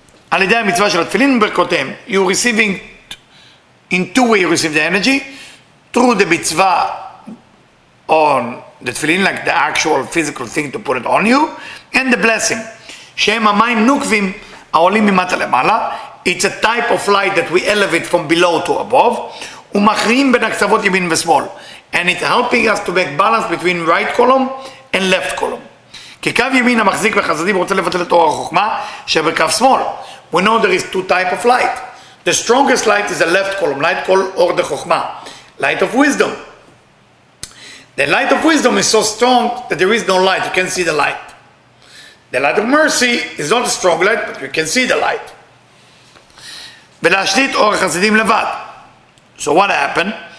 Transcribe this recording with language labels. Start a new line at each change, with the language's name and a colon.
Hebrew: על ידי המצווה של התפילין וברכותיהם,
English: you're receiving, in two ways you receive the energy, through the מצווה on the תפילין, like the actual physical thing to put it on you, and the blessing,
Hebrew: שהם המים נוקבים, העולים ממטה למעלה,
English: it's a type of light that we elevate from below to above,
Hebrew: ומכריעים בין הקצוות ימין ושמאל,
English: and it's helping us to make balance between right column, and left column.
Hebrew: כי קו ימין המחזיק בחסדים רוצה לבטל את אור החוכמה שבקו שמאל.
English: We know there is two type of light. The strongest light is the left column, light called אור דה חוכמה. Light of wisdom. The light of wisdom is so strong that there is no light, you can see the light. The light of mercy is not a strong light, but you can see the light.
Hebrew: ולהשליט אור החסדים לבד.
English: So what happened?